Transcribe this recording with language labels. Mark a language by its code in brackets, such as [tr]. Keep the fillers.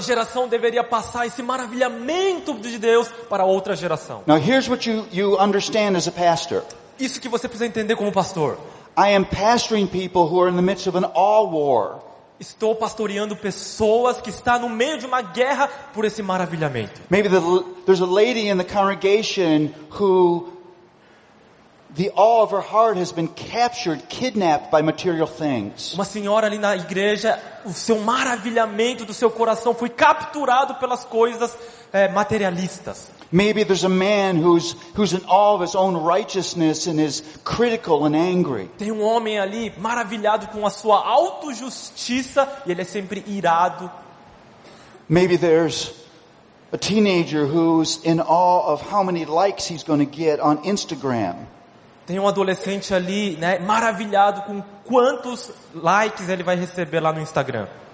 [pt] geração deveria passar esse maravilhamento de Deus para outra geração. [en] Now here's what you you understand as a pastor. [pt] Isso que você precisa entender como pastor. [en] I am pastoring people who are in the midst of an awe war. [pt] Estou pastoreando pessoas que está no meio de uma guerra por esse maravilhamento. [en] Maybe the, there's a lady in the congregation who the awe of her heart has been captured, kidnapped by material things. [pt] Uma senhora ali na igreja, o seu maravilhamento do seu coração foi capturado pelas coisas materialistas. [en] Maybe there's a man who's who's in awe of his own righteousness and is critical and angry. [pt] Tem um homem ali maravilhado com a sua autojustiça e ele é sempre irado. [en] Maybe there's a teenager who's in awe of how many likes he's going to get on Instagram. [pt] Tem um adolescente ali, né, maravilhado com quantos likes ele vai receber lá no Instagram.